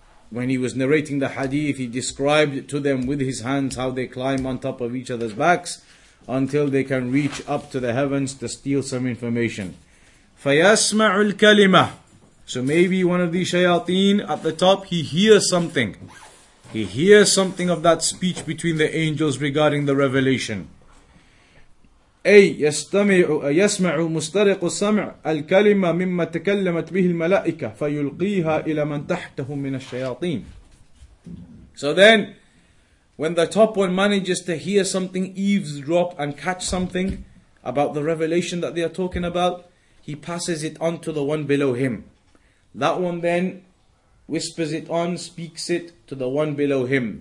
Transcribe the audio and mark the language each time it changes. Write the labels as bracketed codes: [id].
[en] When he was narrating the hadith, he described to them with his hands how they climb on top of each other's backs until they can reach up to the heavens to steal some information. [ar] فَيَسْمَعُ الْكَلِمَةِ. [en] So maybe one of these shayateen at the top, he hears something. He hears something of that speech between the angels regarding the revelation. [ar] أي يسمع مسترق السمع الكلمة مما تكلمت به الملائكة فيلقيها إلى من تحته من الشياطين. [en] So then, when the top one manages to hear something, eavesdrop and catch something about the revelation that they are talking about, he passes it on to the one below him. That one then whispers it on, speaks it to the one below him.